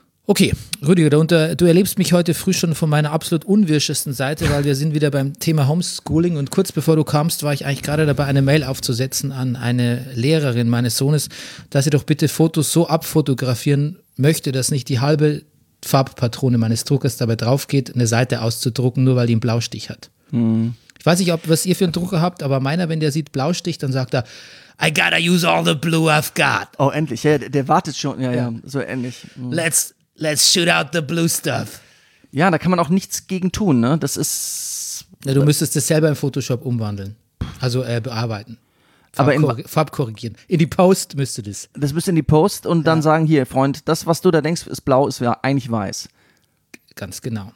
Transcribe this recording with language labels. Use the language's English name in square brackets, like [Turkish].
[German] Okay, Rüdiger, du erlebst mich heute früh schon von meiner absolut unwirschesten Seite, weil wir sind wieder beim Thema Homeschooling und kurz bevor du kamst, war ich eigentlich gerade dabei, eine Mail aufzusetzen an eine Lehrerin meines Sohnes, dass sie doch bitte Fotos so abfotografieren möchte, dass nicht die halbe Farbpatrone meines Druckers dabei drauf geht, eine Seite auszudrucken, nur weil die einen Blaustich hat. Ich weiß nicht, was ihr für einen Drucker habt, aber meiner, wenn der sieht Blaustich, dann sagt er, [English] I gotta use all the blue I've got. [German] Oh, endlich, ja, der wartet schon, ja, so ähnlich. [English] Let's shoot out the blue stuff. [German] Ja, da kann man auch nichts gegen tun, ne? Das ist. Ja, du müsstest das selber in Photoshop umwandeln. Also bearbeiten. Farbkorrigieren. In die Post müsste das. Das müsste in die Post und dann sagen: Hier, Freund, das, was du da denkst, ist blau, ist ja eigentlich weiß. Ganz genau.